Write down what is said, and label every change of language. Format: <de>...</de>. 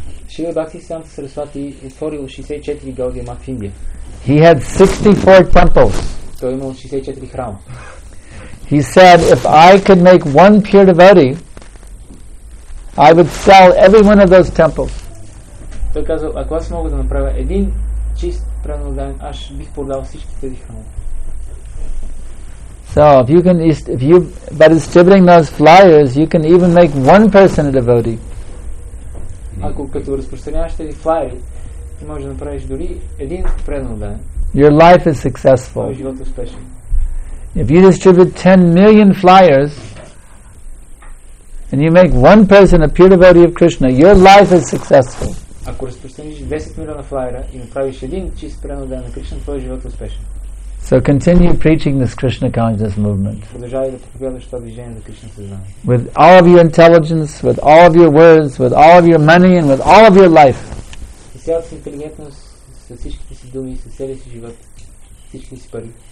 <en>Srila Bhakti Siddhanta Sarasvati</en> <bg>otvoril</bg> <en>64 Gaudiya Maths in India. He had 64 temples.</en> <bg>Той имал 64 храма.</bg> <en>He said, if I could make one pure devotee, I would sell every one of those temples.</en> <bg>Той казал, ако аз мога да направя един чист праведен, аз бих продал всички тези храма.</bg> <en>So, if you can, if you, by distributing those flyers, you can even make one person a devotee.</en> <bg>Ако като разпространяваш тези флайери, ти можеш да направиш дори един праведен.</bg> <en>Your life is successful.</en> <bg>Твоя живот е успешен.</bg> <en>If you distribute 10 million flyers and you make one person a pure devotee of Krishna, your life is successful.</en> <bg>Ако разпространиш 10 милиона флайера и направиш един чист праведен на Кришна, твой живот е успешен.</bg> <en>So continue preaching this Krishna consciousness movement.</en> <bg>Продължавай да проповядваш това движение на Кришна съзнание.</bg> <en>With all of your intelligence, with all of your words, with all of your money and with all of your life.</en> <bg>С цялата си интелигентност, с всичките си думи, с целия си живот, всички си пари.</bg>